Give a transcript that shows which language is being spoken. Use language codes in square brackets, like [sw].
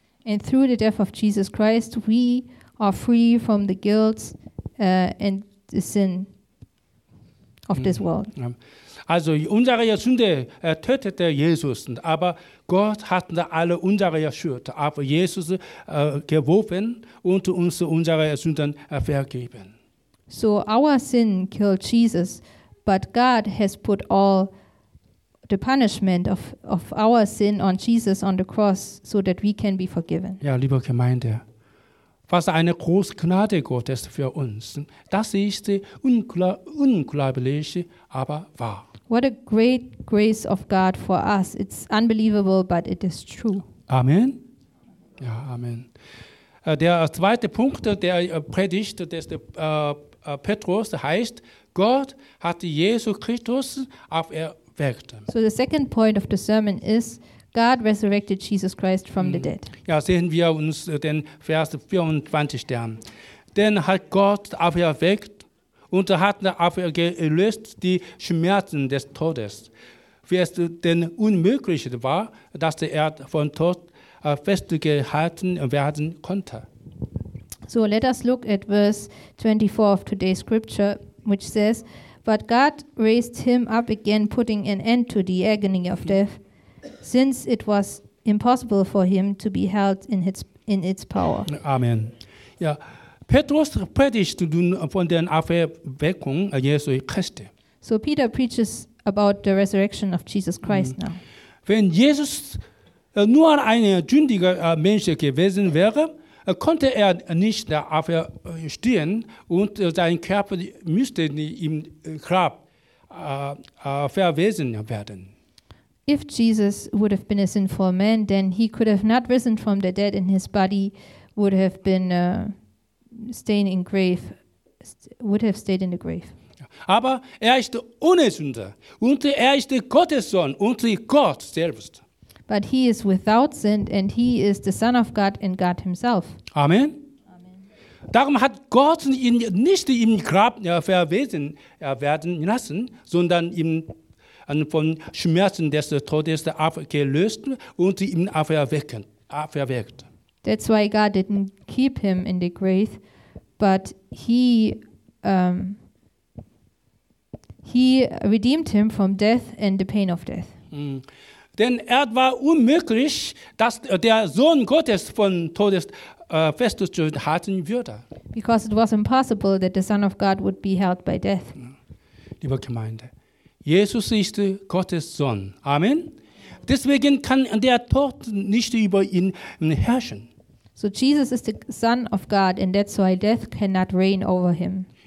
[en] And through the death of Jesus Christ, we are free from the guilt and the sin of this world. [de] Also unsere Sünde tötete Jesus, aber Gott hat alle unsere Schuld auf Jesus geworfen und uns unsere Sünden vergeben. [en] So our sin killed Jesus, but God has put all the punishment of our sin on Jesus on the cross, so that we can be forgiven. [de] Ja, liebe Gemeinde, was eine große Gnade Gottes für uns. Das ist unglaublich, aber wahr. [en] What a great grace of God for us. It's unbelievable, but it is true. [de] Amen. Ja, Amen. Der zweite Punkt der Predigt des Petrus heißt, Gott hat Jesus Christus auferweckt. [en] So the second point of the sermon is, God resurrected Jesus Christ from the dead. [de] Ja, sehen wir uns den Vers 24 an. Denn hat Gott auferweckt und hat aufgelöst die Schmerzen des Todes. Wie es denn unmöglich war, dass er von Tod festgehalten werden konnte. [en] So let us look at verse 24 of today's scripture, which says, but God raised him up again, putting an end to the agony of death, since it was impossible for him to be held in its power. [de] Amen. Ja. Petrus predigt nun von der Auferweckung Jesu Christi. [en] So Peter preaches about the resurrection of Jesus Christ now. [de] Wenn Jesus nur ein sündiger Mensch gewesen wäre, konnte er nicht auferstehen und sein Körper müsste im Grab verwesen werden. [en] If Jesus would have been a sinful man, then he could have not risen from the dead and his body would have been stayed in the grave. [de] Aber er ist ohne Sünde und er ist Gottes Sohn und Gott selbst. [en] But he is without sin and he is the Son of God and God himself. Amen. [de] Darum hat Gott ihn nicht im Grab verwesen werden lassen, sondern ihm von Schmerzen des Todes aufgelöst und ihn auferweckt. [en] That's why God didn't keep him in the grave, but he redeemed him from death and the pain of death. [de] Denn es war unmöglich, dass der Sohn Gottes von Todes festgehalten würde. [en] Because it was impossible that the Son of God would be held by death. [de] Liebe Gemeinde, Jesus ist Gottes Sohn. Amen. Deswegen kann der Tod nicht über ihn herrschen. [en] So Jesus is the Son of God and that's why death cannot reign over him.